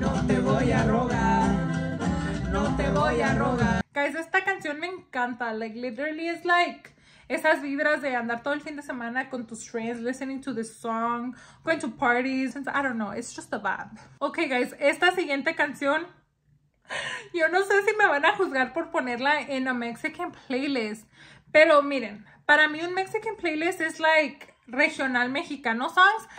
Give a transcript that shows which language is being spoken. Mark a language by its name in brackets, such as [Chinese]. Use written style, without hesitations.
[Spanish] No te voy a rogar, no te voy a rogar. [English] Guys, [Spanish] esta canción me encanta, [English] like literally it's like [Spanish] esas vibras de andar todo el fin de semana con tus [English] friends, listening to this song, going to parties, and I don't know, it's just a vibe. [Spanish] Okay guys, esta siguiente canción, yo no sé si me van a juzgar por ponerla en [English] a Mexican playlist, [Spanish] pero miren, para mí un [English] Mexican playlist [Spanish] es [English] like regional mexicano songs.